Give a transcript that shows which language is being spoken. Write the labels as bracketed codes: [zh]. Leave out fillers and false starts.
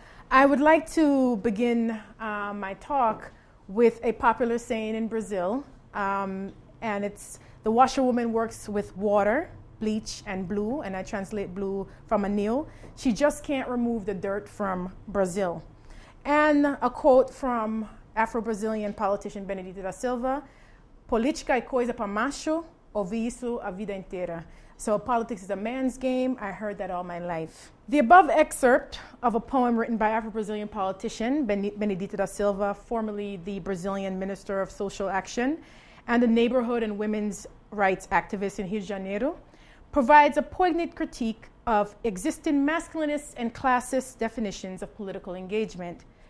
[en] I would like to begin my talk with a popular saying in Brazil, and it's, the washerwoman works with water, bleach, and blue, and I translate blue from a Anil. She just can't remove the dirt from Brazil. And a quote from Afro-Brazilian politician [pt] Benedito da Silva, Política é coisa para macho, ouvi isso a vida inteira. [en] So politics is a man's game, I heard that all my life. The above excerpt of a poem written by Afro-Brazilian politician Benedito da Silva, formerly the Brazilian Minister of Social Action, and a neighborhood and women's rights activist in Rio de Janeiro, provides a poignant critique of existing masculinist and classist definitions of political engagement.